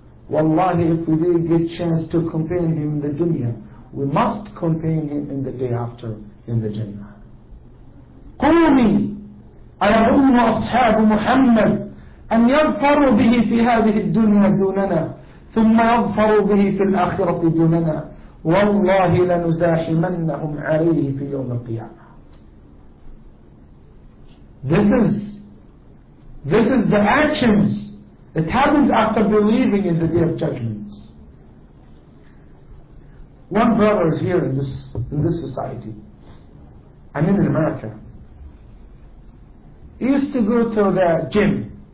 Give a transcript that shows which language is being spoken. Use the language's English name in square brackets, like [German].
[English] Wallahi, if we didn't get chance to contain him in the dunya, we must contain him in the day after in the Jannah. [Arabic] قومي أيهم أصحاب محمد أن يظفروا به في هذه الدنيا دوننا ثم يظفروا به في الآخرة دوننا والله لنزاحمنهم عليه في يوم القيامة. [English] This is This is the actions. It happens after believing in the Day of Judgment. One brother is here in this society. I mean in America. He used to go to the gym.